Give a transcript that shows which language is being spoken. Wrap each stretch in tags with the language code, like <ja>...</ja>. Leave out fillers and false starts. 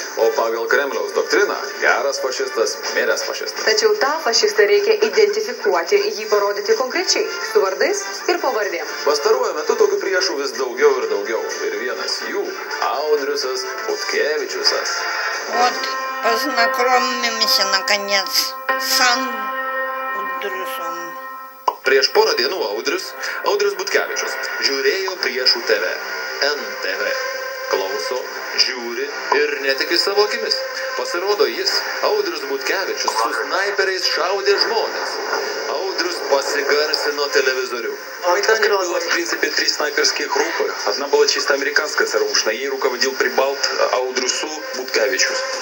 <lt>O pagal Kremliaus doktriną, geras fašistas, miręs fašistas. Tačiau tą fašistą reikia identifikuoti, jį parodyti konkrečiai, su vardais ir pavardėm. Pastaruoju metu tokių priešų vis daugiau ir daugiau. Ir vienas jų, Audriusas Butkevičiusas.</lt> <ru>Вот, познакомимся, наконец, с Андрюсом.</ru> <lt>Prieš porą dienų Audrius Butkevičius, žiūrėjo priešų TV, NTV. Klauso, žiūri ir netiki savo akimis. Pasirodo jis, Audrius Butkevičius, su snaiperiais šaudė žmonės. Audrius pasigarsino televizorių.</lt> <ru>Там не было, в принципе, три снайперские группы. Одна была чисто американская, царушная. Ей руководил прибалт Аудрюсу Буткевичус.</ru>